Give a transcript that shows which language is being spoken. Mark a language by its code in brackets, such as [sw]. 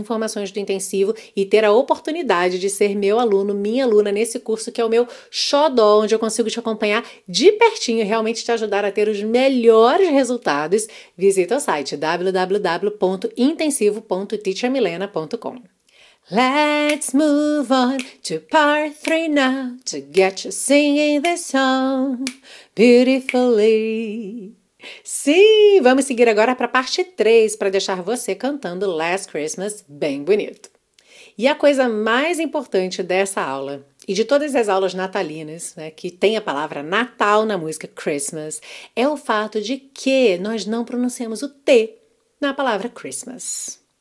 [pt] informações do intensivo e ter a oportunidade de ser meu aluno, minha aluna nesse curso que é o meu xodó, onde eu consigo te acompanhar de pertinho e realmente te ajudar a ter os melhores resultados, visita o site www.intensivo.teachermilena.com. [en] Let's move on to part three now, to get you singing this song beautifully. [pt] Sim, vamos seguir agora para a parte 3, para deixar você cantando Last Christmas bem bonito. E a coisa mais importante dessa aula, e de todas as aulas natalinas, né, que tem a palavra Natal na música Christmas, é o fato de que nós não pronunciamos o T na palavra Christmas.